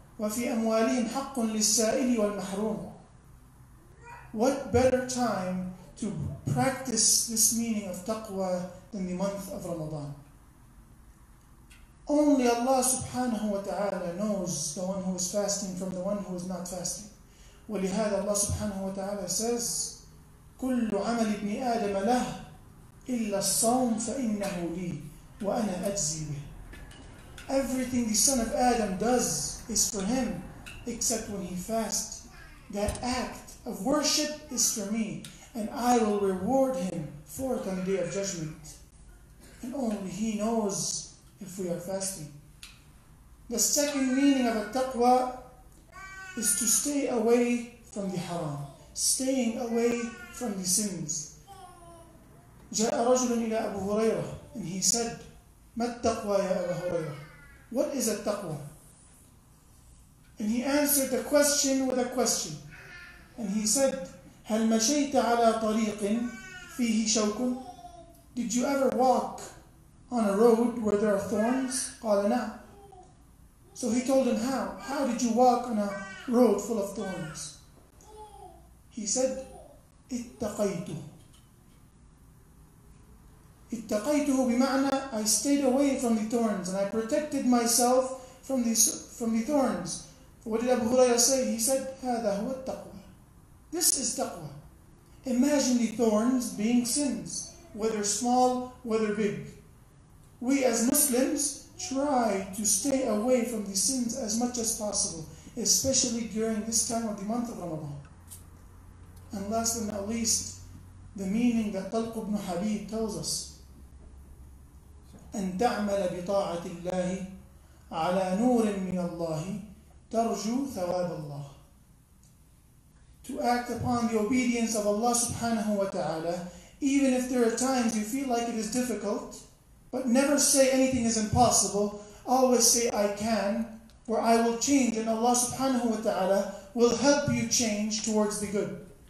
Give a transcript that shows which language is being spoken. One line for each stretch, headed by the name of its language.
Arabic: وَفِي أَمْوَالِهِمْ حَقٌّ لِلسَّائِلِ وَالْمَحْرُومِ.
English: What better time to practice this meaning of taqwa than the month of Ramadan? Only Allah subhanahu wa ta'ala knows the one who is fasting from the one who is not fasting.
Arabic: ولهذا
English: Allah subhanahu wa ta'ala says,
Arabic: كل عمل ابن آدم له إلا الصوم فإنه لي وأنا أجزي به.
English: Everything the son of Adam does is for him, except when he fasts. That act of worship is for me, and I will reward him for it on the day of judgment. And only he knows if we are fasting. The second meaning of a taqwa is to stay away from the haram, staying away from the sins. جاء رجل إلى أبو هريرة and he said, ما التقوى يا أبو هريرة؟ What is a taqwa? And he answered the question with a question. And he said,
Arabic: هل مشيت على طريق فيه شوك؟
English: Did you ever walk on a road where there are thorns?
Arabic: قال نعم.
English: So he told him, how did you walk on a road full of thorns? He said,
Arabic: اتقيته. اتقيته بمعنى
English: I stayed away from the thorns and I protected myself from the thorns. What did Abu Hurairah say? He said,
Arabic: هذا هو التقوى.
English: This is taqwa. Imagine the thorns being sins, whether small, whether big. We as Muslims try to stay away from the sins as much as possible, especially during this time of the month of Ramadan. And last but not least, the meaning that Talq ibn Habib tells us,
Arabic: أن تعمل بطاعة الله على نور من الله ترجو ثواب الله.
English: To act upon the obedience of Allah subhanahu wa ta'ala, even if there are times you feel like it is difficult, but never say anything is impossible. Always say, I can, or I will change, and Allah subhanahu wa ta'ala will help you change towards the good.